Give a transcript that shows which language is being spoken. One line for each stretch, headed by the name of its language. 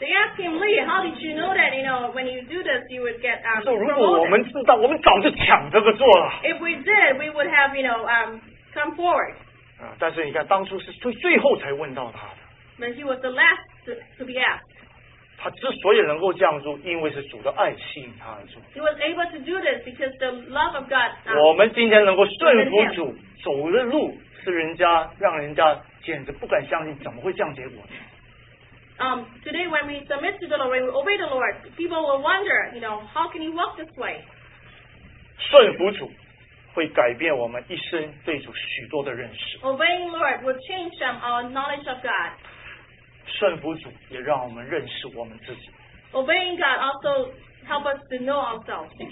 English: They asked him, Lee, how did you know that? You know, when you do this, you would get promoted.
Chinese: 说如果我们知道，我们早就抢这个做了。
English: If we did, we would have, come forward.
Chinese: 但是你看，当初是最后才问到他的。
English: But he was the last to be asked.
Chinese: 他之所以能够这样做，因为是主的爱吸引他而做。
English: He was able to do this because the love of God.
Chinese: 我们今天能够顺服主走的路。是人家让人家简直不敢相信，怎么会这样结果呢？
English: Today when we submit to the Lord, when we obey the Lord, people will wonder, how can you walk this way?
Chinese: 顺服主会改变我们一生对主许多的认识。
English: Obeying Lord will change our knowledge of God.
Chinese: 顺服主也让我们认识我们自己。
English: Obeying God also help us to know ourselves.